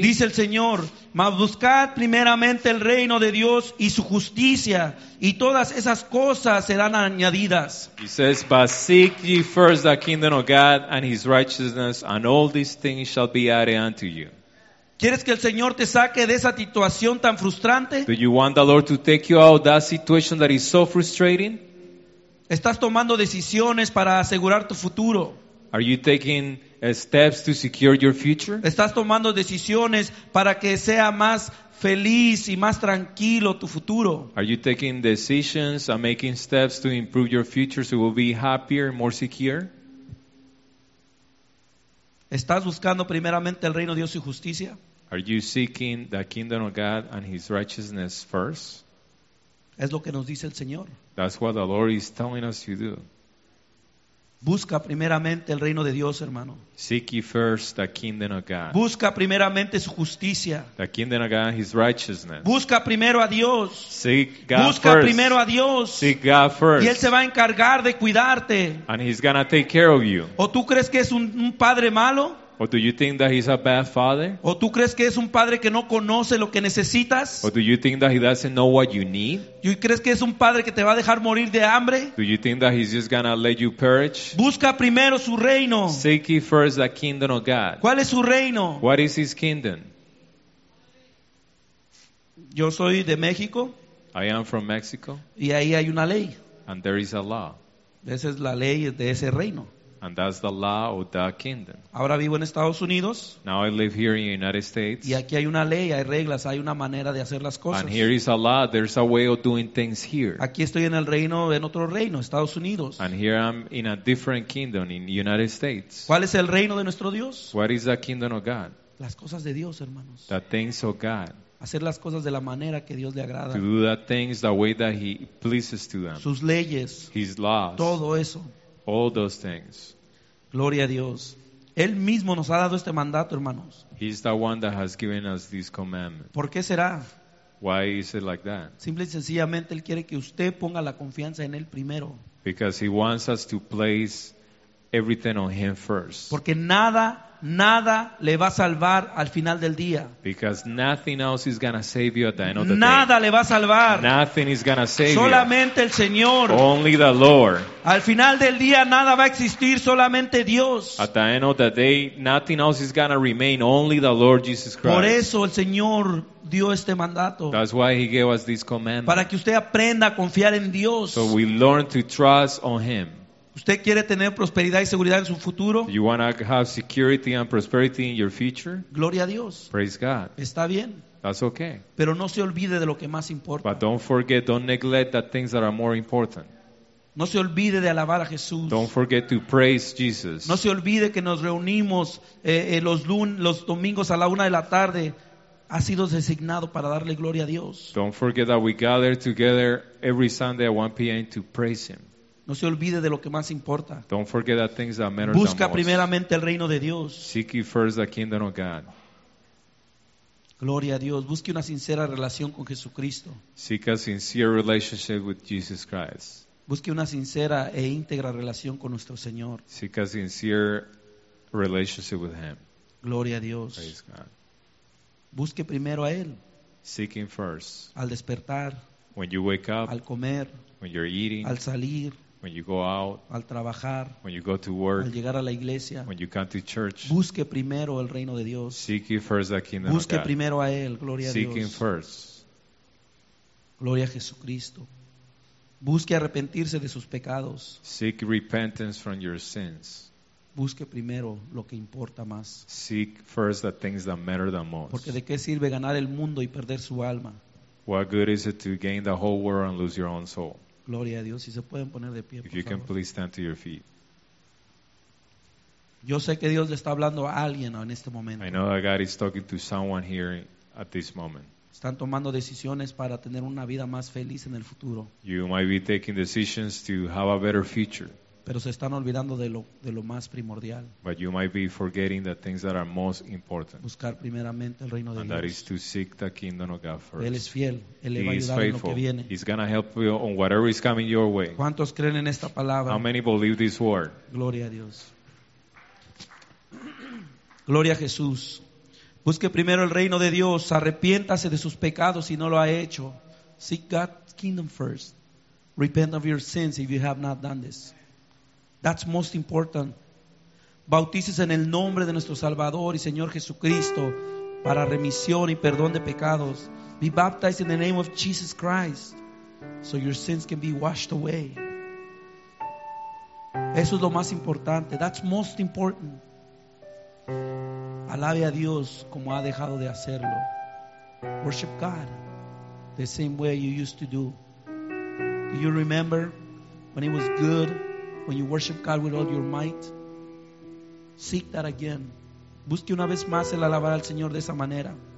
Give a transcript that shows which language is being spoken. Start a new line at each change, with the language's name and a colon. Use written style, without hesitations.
Spanish: Dice el Señor, mas buscad primeramente el reino de Dios y su justicia, y todas esas cosas serán añadidas.
English: He says, but seek ye first the kingdom of God and his righteousness, and all these things shall be added unto you.
Spanish: ¿Quieres que el Señor te saque de esa situación tan frustrante?
English: Do you want the Lord to take you out of that situation that is so frustrating?
Spanish: ¿Estás tomando decisiones para asegurar tu futuro?
English: Are you taking steps to secure your future?
Spanish: ¿Estás tomando decisiones para que sea más feliz y más tranquilo tu futuro?
English: Are you taking decisions and making steps to improve your future so it will be happier, more secure?
Spanish: ¿Estás buscando primeramente el reino de Dios y justicia?
English: Are you seeking the kingdom of God and his righteousness first?
Spanish: Es lo que nos dice el Señor.
English: That's what the Lord is telling us to do.
Spanish: Busca primeramente el reino de Dios, hermano.
English: Seek ye first the kingdom of God.
Spanish: Busca primeramente su justicia.
English: The kingdom of God and his righteousness.
Spanish: Busca primero a Dios.
English: Seek God
Spanish: first. Busca primero a Dios.
English: Seek God first.
Spanish: Y él se va a encargar de cuidarte.
English: And he's gonna take care of you.
Spanish: ¿O tú crees que es un padre malo?
English: Or do you think that he's a bad father?
Spanish: ¿O tú crees que es un padre que no conoce lo que necesitas?
English: Or do you think that he doesn't know what you need?
Spanish: ¿Tú crees que es un padre que te va a dejar morir de hambre?
English: Do you think that he's just gonna let you perish?
Spanish: Busca primero su reino.
English: Seek first the kingdom of God.
Spanish: ¿Cuál es su reino?
English: What is his kingdom?
Spanish: Yo soy de México.
English: I am from Mexico.
Spanish: Y ahí hay una ley.
English: And there is a law.
Spanish: Esa es la ley de ese reino.
English: And that's the law of the kingdom.
Spanish: Ahora vivo en Estados Unidos.
English: Now I live here in the United States.
Spanish: Y aquí hay una ley, hay reglas, hay una manera de hacer las cosas.
English: And here is a law, there's a way of doing things here.
Spanish: Aquí estoy en el reino, en otro reino, Estados Unidos.
English: And here I'm in a different kingdom in the United States.
Spanish: ¿Cuál es el reino de nuestro Dios?
English: What is the kingdom of God?
Spanish: Las cosas de Dios, hermanos.
English: The things of God.
Spanish: Hacer las cosas de la manera que Dios le agrada.
English: To do the things the way that He pleases to them.
Spanish: Sus leyes.
English: His laws.
Spanish: Todo eso.
English: All those things.
Spanish: Gloria a Dios. Él mismo nos ha dado este mandato, hermanos.
English: He's the one that has given us this commandment.
Spanish: ¿Por qué será?
English: Why is it like that?
Spanish: Simple y sencillamente, Él quiere que usted ponga la confianza en Él primero.
English: Because He wants us to place everything on Him first.
Spanish: Porque nada, nada le va a salvar al final del día.
English: Because nothing else is gonna save you at the end of the
Spanish: nada Nada le va a salvar.
English: Nothing is gonna save
Spanish: solamente
English: you.
Spanish: El Señor.
English: Only the Lord.
Spanish: Al final del día nada va a existir, solamente Dios.
English: At the end of the day, nothing else is gonna remain. Only the Lord Jesus Christ.
Spanish: Por eso el Señor dio este mandato.
English: That's why He gave us this commandment.
Spanish: Para que usted aprenda a confiar en Dios.
English: So we learn to trust on Him.
Spanish: ¿Usted quiere tener prosperidad y seguridad en su futuro?
English: You want to have security and prosperity in your future?
Spanish: Gloria a Dios.
English: Praise God.
Spanish: Está bien.
English: That's okay.
Spanish: Pero no se olvide de lo que más importa.
English: But don't forget, don't neglect the things that are more important.
Spanish: No se olvide de alabar a Jesús.
English: Don't forget to praise Jesus.
Spanish: No se olvide que nos reunimos los domingos a la una de la tarde. Ha sido designado para darle gloria a Dios.
English: Don't forget that we gather together every Sunday at 1 p.m. to praise Him.
Spanish: No se olvide de lo que más importa.
English: Don't forget the things that matter.
Spanish: Busca primeramente el reino de Dios.
English: Seek first the kingdom of God.
Spanish: Gloria a Dios. Busque una sincera relación con Jesucristo.
English: Seek a sincere relationship with Jesus Christ.
Spanish: Busque una sincera e íntegra relación con nuestro Señor.
English: Seek a sincere relationship with Him.
Spanish: Gloria a Dios.
English: Praise God.
Spanish: Busque primero a Él.
English: Seek Him first.
Spanish: Al despertar.
English: When you wake up.
Spanish: Al comer.
English: When you're eating.
Spanish: Al salir.
English: When you go out,
Spanish: al trabajar,
English: when you go to work,
Spanish: al llegar a la iglesia,
English: when you come to church,
Spanish: busque primero el reino de Dios.
English: Seek first the kingdom.
Spanish: Busque primero a Él, gloria a Dios.
English: Seek Him first.
Spanish: Gloria a Jesucristo. Busque arrepentirse de sus pecados.
English: Seek repentance from your sins.
Spanish: Busque primero lo que importa más.
English: Seek first the things that matter the most.
Spanish: Porque de qué sirve ganar el mundo y perder su alma.
English: What good is it to gain the whole world and lose your own soul?
Spanish: Gloria a Dios, si se pueden poner de pie, por favor.
English: If you can please stand to your feet.
Spanish: Yo sé que Dios le está hablando a alguien en este momento.
English: I know that God is talking to someone here at this moment.
Spanish: Están tomando decisiones para tener una vida más feliz en el futuro.
English: You might be taking decisions to have a better future.
Spanish: Pero se están olvidando de lo más primordial.
English: But you might be forgetting the things that are most important.
Spanish: Buscar primeramente el reino de
English: and
Spanish: Dios.
English: That is to seek the kingdom of God first.
Spanish: Él es fiel. Él le va a ayudar en lo que viene.
English: He's going to help you on whatever is coming your way.
Spanish: ¿Cuántos creen en esta palabra?
English: How many believe this word?
Spanish: Gloria a Dios. Gloria a Jesús. Busque primero el reino de Dios. Arrepiéntase de sus pecados si no lo ha hecho.
English: Seek God's kingdom first. Repent of your sins if you have not done this. That's most important.
Spanish: Bautícese en el nombre de nuestro Salvador y Señor Jesucristo para remisión y perdón de pecados.
English: Be baptized in the name of Jesus Christ so your sins can be washed away.
Spanish: Eso es lo más importante.
English: That's most important.
Spanish: Alabe a Dios como ha dejado de hacerlo.
English: Worship God the same way you used to do. Do you remember when it was good? When you worship God with all your might, seek that again.
Spanish: Busque una vez más el alabar al Señor de esa manera.